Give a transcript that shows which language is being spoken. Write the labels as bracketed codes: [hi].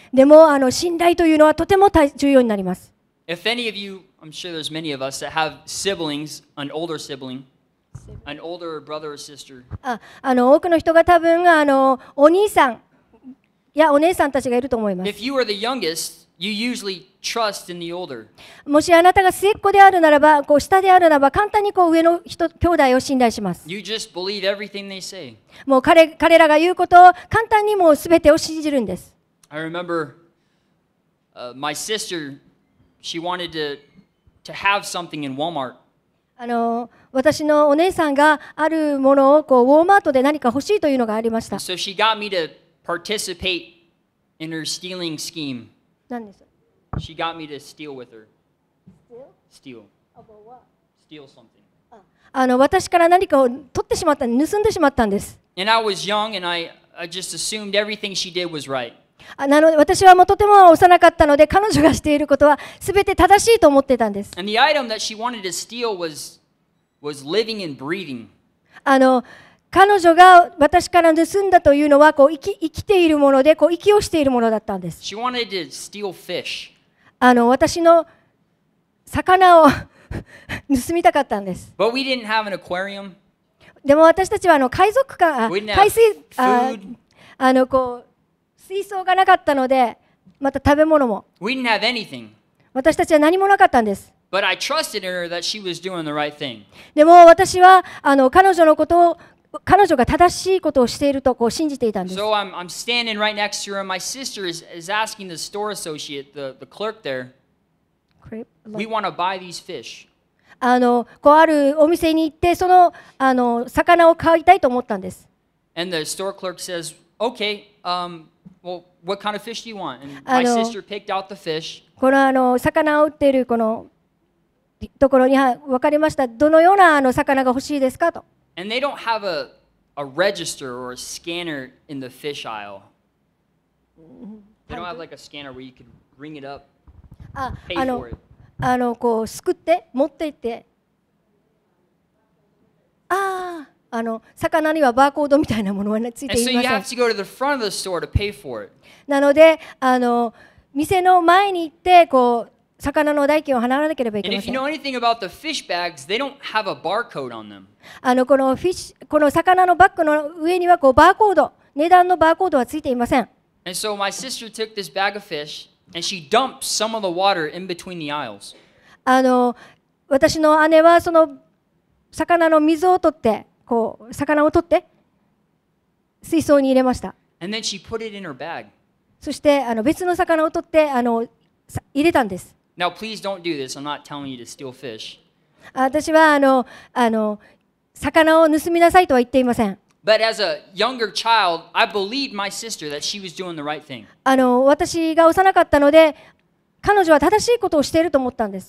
[ja] でも、あの、信頼というのはとても重要になります。 [en] If any of you, I'm sure there's many of us that have siblings, an older sibling, an older brother or sister. [ja] あ、あの、多くの人が多分、あの、お兄さんやお姉さんたちがいると思います。 [en] If you are the youngest, you usually trust in the older. [ja] もしあなたが末っ子であるならば、こう下であるならば、簡単にこう上の人、兄弟を信頼します。 [en] You just believe everything they say. [ja] もう彼らが言うことを簡単にもう全てを信じるんです。 [en] I remember, my sister, she wanted to have something in Walmart. [ja] あの、私のお姉さんがあるものをこうウォーマートで何か欲しいというのがありました。 [en] So she got me to participate in her stealing scheme. [ja] 何ですか? [en] She got me to steal with her. Steal? Steal. About what? Steal something. [ja] あの、私から何かを取ってしまった、盗んでしまったんです。 [en] And I was young and I just assumed everything she did was right. [ja] あ、なので私はもうとても幼かったので、彼女がしていることは全て正しいと思ってたんです。 [en] And the item that she wanted to steal was living and breathing. [ja] あの、彼女が私から盗んだというのはこう 生きているものでこう息をしているものだったんです。 [en] She wanted to steal fish. [ja] あの、私の魚を盗みたかったんです。 [en] But we didn't have an aquarium. [ja] でも私たちはあの海賊館、海水、あのこう水槽がなかったので、また食べ物も。 [en] We didn't have anything. [ja] 私たちは何もなかったんです。 [en] But I trusted her that she was doing the right thing. [ja] でも私はあの彼女のことを彼女が正しいことをしているとこう信じていたんです。 [en] So I'm standing right next to her, and my sister is asking the store associate, the clerk there, we want to buy these fish. [ja] あの、こうあるお店に行って、その、あの、魚を買いたいと思ったんです。 [en] And the store clerk says, okay, well, what kind of fish do you want? And my sister picked out the fish. [ja] この、あの、魚を売っているこのところに分かりました。どのようなあの魚が欲しいですかと。 [en] And they don't have a register or a scanner in the fish aisle. They don't have like a scanner where you can ring it up, pay for it. [ja] あの、こう、すくって、持って行って。ああ、あの、魚にはバーコードみたいなものはついていません。 [en] And so you have to go to the front of the store to pay for it. [ja] なので、あの、店の前に行って、こう、魚の代金を払わなければいけません。 [en] And if you know anything about the fish bags, they don't have a barcode on them. [ja] あの、このフィッシュ、この魚のバッグの上にはこうバーコード、値段のバーコードはついていません。 [en] And so my sister took this bag of fish and she dumped some of the water in between the aisles. [ja] あの、私の姉はその魚の水を取って、こう魚を取って水槽に入れました。 [en] And then she put it in her bag. [ja] そして、あの、別の魚を取って、あの、入れたんです。 [en] Now please don't do this. I'm not telling you to steal fish. [ja] 私はあの、あの、魚を盗みなさいとは言っていません。 [en] But as a younger child, I believed my sister that she was doing the right thing. [ja] あの、私が幼かったので、彼女は正しいことをしていると思ったんです。